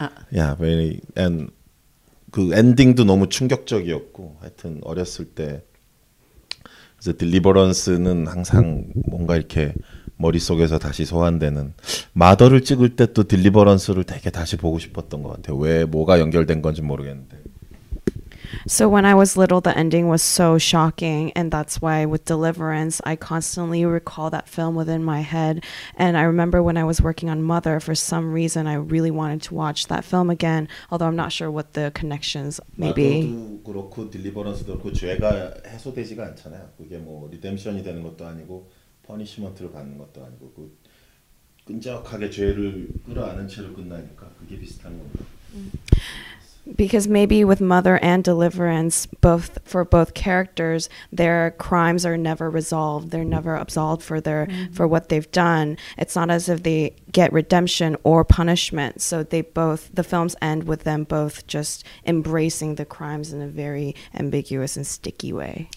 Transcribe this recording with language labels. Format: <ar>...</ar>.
<en>Very and</en> <ko>그 엔딩도 너무 충격적이었고 하여튼 어렸을 때 이제 딜리버런스는 항상 뭔가 이렇게 머릿속에서 다시 소환되는 마더를 찍을 때 또 딜리버런스를 되게 다시 보고 싶었던 것 같아요. 왜 뭐가 연결된 건지 모르겠는데.</ko> <en>So when I was little, the ending was so shocking, and that's why with Deliverance, I constantly recall that film within my head. And I remember when I was working on Mother, for some reason, I really wanted to watch that film again, although I'm not sure what the connections may be.</en> <ko>마더도 그렇고 딜리버런스도 그 죄가 해소되지가 않잖아요. 그게 뭐 리뎀션이 되는 것도 아니고 퍼니시먼트를 받는 것도 아니고 그 끈적하게 죄를 끌어안은 채로 끝나니까 그게 비슷한 겁니다.</ko> <en>Because maybe with Mother and Deliverance, both for both characters, their crimes are never resolved. They're never absolved for their for what they've done. It's not as if they get redemption or punishment. So they both, the films end with them both just embracing the crimes in a very ambiguous and sticky way.</en>